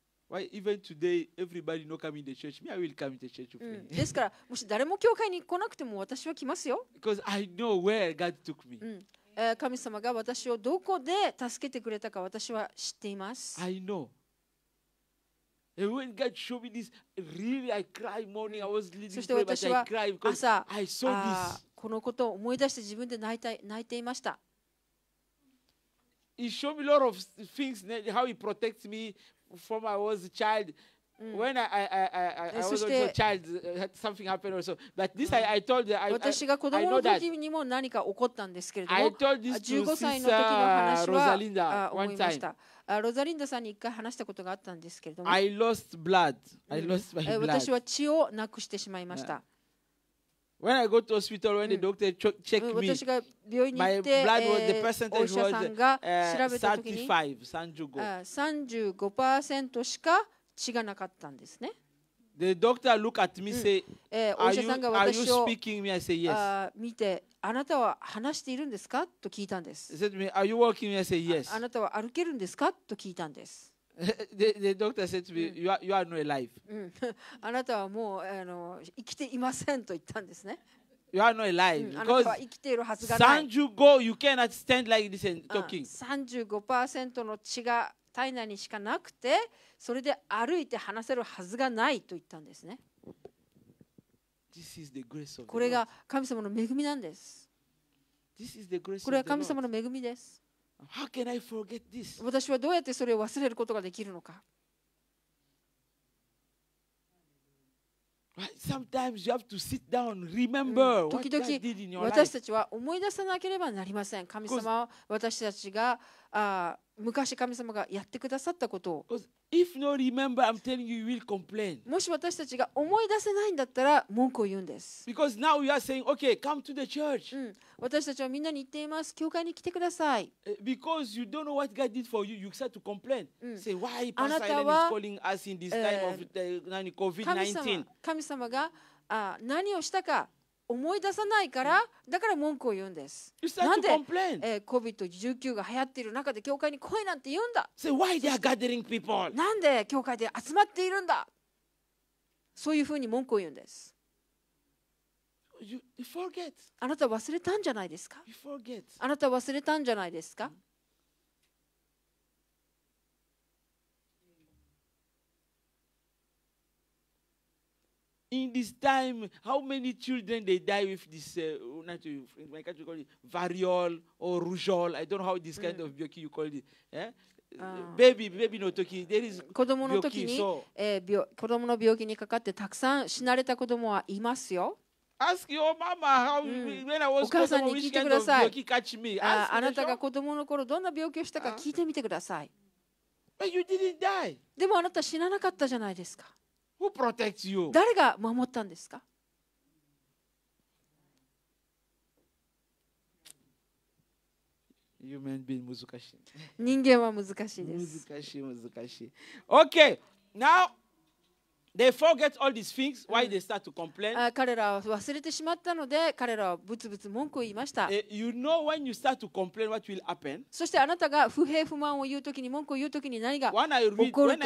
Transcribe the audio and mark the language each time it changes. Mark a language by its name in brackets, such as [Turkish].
[English] Why even today everybody not coming to church? Me, I will come to church. [Japanese] ですから、もし誰も教会に来なくても私は来ますよ。 [English] Because I know where God took me. [Japanese] 神様が私をどこで助けてくれたか私は知っています。 [English] I know. And when God showed me this, really, I cried morning. I was leading prayer, but I cried because I saw this. [Japanese] このことを思い出して自分で泣いていました。 [English] He showed me a lot of things, how He protects me. From I was a child, when I was also a child, something happened also. But this I told you, I know that. [Japanese] 私が子供の時にも何か起こったんですけれども、 [English] I told this to [Japanese] 15歳の時の話は [English] one time. [Japanese] ロザリンダさんに一回話したことがあったんですけれども、 [English] I lost blood. I lost my blood. [Japanese] 私は血をなくしてしまいました。 [English] When I go to hospital, when the doctor checked me, my blood was the percentage was [Japanese] 35% しか血がなかったんですね。 [English] The doctor looked at me say, are you speaking me? I say yes. [Japanese] 見て、あなたは話しているんですかと聞いたんです。 [English] He said to me, are you walking me? I say yes. [Japanese] あなたは歩けるんですかと聞いたんです。 [English] The doctor said to me, you are not alive. [Japanese] あなたはもう生きていませんと言ったんですね。 [English] You are not alive. Because [Japanese] 生きているはずがない。 [English] 35, you cannot stand like this and talking. [Japanese] 35% の血が体内にしかなくて、それで歩いて話せるはずがないと言ったんですね。 [English] This is the grace of the Lord. [Japanese] これが神様の恵みなんです。 [English] This is the grace of the Lord. [Japanese] これは神様の恵みです。 [English] How can I forget this? [Japanese] 私はどうやってそれを忘れることができるのか。 [English] Sometimes you have to sit down, remember what God did in your life. [Japanese] 私たちは思い出さなければなりません。神様は私たちが昔神様がやってくださったことを。 [English] If not remember, I'm telling you, you will complain. [Japanese] もし私たちが思い出せないんだったら文句を言うんです。 [English] Because now you are saying, okay, come to the church. [Japanese] 私たちはみんなに言っています。教会に来てください。 [English] Because you don't know what God did for you, you start to complain. Say, why Pastor Allen is calling us in this time of COVID-19? [Japanese] 神様が何をしたか思い出さないから、だから文句を言うんです。なんで、COVID-19 が流行っている中で教会に来いなんて言うんだ。 [English] So、why they are gathering people? [Japanese] なんで教会で集まっているんだ。そういうふうに文句を言うんです。 [English] You forget. [Japanese] あなた忘れたんじゃないですか。 [English] You forget. [Japanese] あなた忘れたんじゃないですか。 [English] In this time, how many children they die with this? Not in my country, call it variole or rougeole. I don't know how this kind of病気 you call it. Yeah? Baby の時、there is [Japanese] 子供の時に、子供の病気にかかってたくさん死なれた子供はいますよ。 [English] Ask your mama how when I was a kid, which kind of 病気 catch me? [Japanese] あなたが子供の頃どんな病気をしたか聞いてみてください。 [English] But you didn't die. [Japanese] でもあなた死ななかったじゃないですか。 [English] Who protects you? [Japanese] 誰が守ったんですか。 [English] Human being [Japanese] 難しい。人間は難しいです。難しい。 [English] Okay, now they forget all these things. Why they start to complain? [Japanese] 彼らは忘れてしまったので、彼らはブツブツ文句を言いました。 [English] You know when you start to complain, what will happen? [Japanese] そしてあなたが不平不満を言うときに文句を言うときに何が起こるか。